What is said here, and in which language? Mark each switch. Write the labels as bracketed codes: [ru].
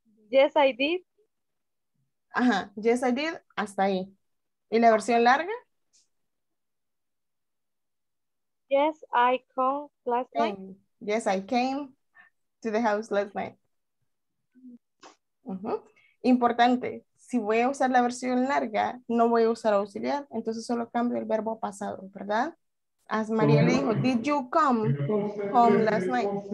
[en] Yes, I did. [es] Ajá, [en] yes, I did. [es] Hasta ahí. ¿Y la versión larga? [en] Yes, I come last came. Night. Yes, I came to the house last night. [es] Importante, si voy a usar la versión larga, no voy a usar auxiliar, entonces solo cambio el verbo pasado, ¿verdad? [en] As María [es] le dijo, [en] did you come home last night?